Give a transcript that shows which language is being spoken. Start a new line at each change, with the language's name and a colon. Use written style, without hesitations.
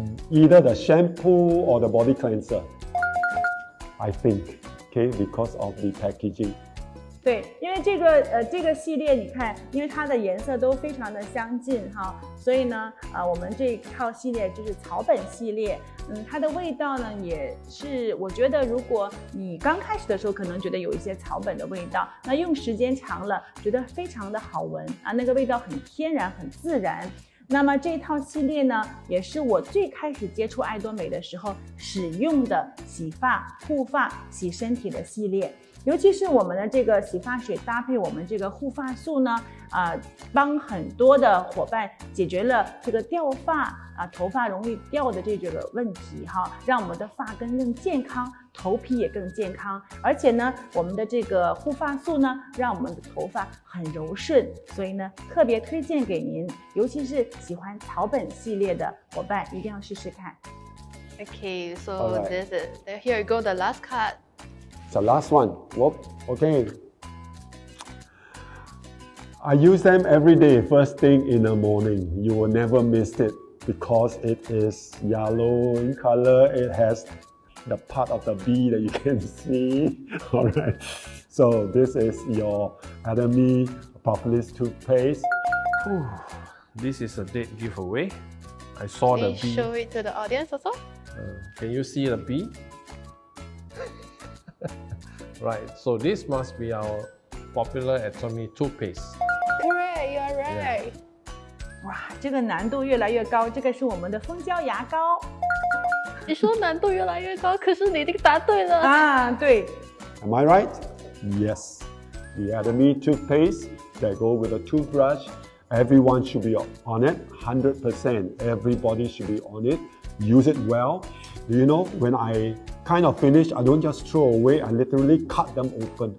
English: either the shampoo or the body cleanser, I think, okay, because of the packaging.
Chinese: 对，因为这个系列，你看，因为它的颜色都非常的相近哈，所以呢，我们这套系列就是草本系列。嗯，它的味道呢，也是我觉得，如果你刚开始的时候可能觉得有一些草本的味道，那用时间长了，觉得非常的好闻啊，那个味道很天然，很自然。那么这套系列呢，也是我最开始接触爱多美的时候使用的洗发、护发、洗身体的系列，尤其是我们的这个洗发水搭配我们这个护发素呢，帮很多的伙伴解决了这个掉发啊，头发容易掉的这个问题哈，让我们的发根更健康，头皮也更健康，而且呢，我们的这个护发素呢，让我们的头发很柔顺，所以呢，特别推荐给您，尤其是喜欢草本系列的伙伴，一定要试试看。
English: Okay, so this is here you go, the last card. It's the last one. Whoop, okay. I use them every day, first thing in the morning. You will never miss it because it is yellow in color. It has. The part of the B that you can see. All right. So this is your Atomy Propolis toothpaste. Ooh, this is a dead giveaway. I saw the B. Can you show it to the audience also? Can you see the B? Right. So this must be our popular Atomy toothpaste. Correct. You are right. Yeah.
Chinese: Wow, 这个难度越来越高。这个是我们的蜂胶牙膏。你说难度越来越高，可是你已经答对了。啊，对。
English: Am I right? Yes. The Atomy toothpaste that go with a toothbrush, everyone should be on it, 100%. Everybody should be on it. Use it well. You know, when I kind of finish, I don't just throw away, I literally cut them open.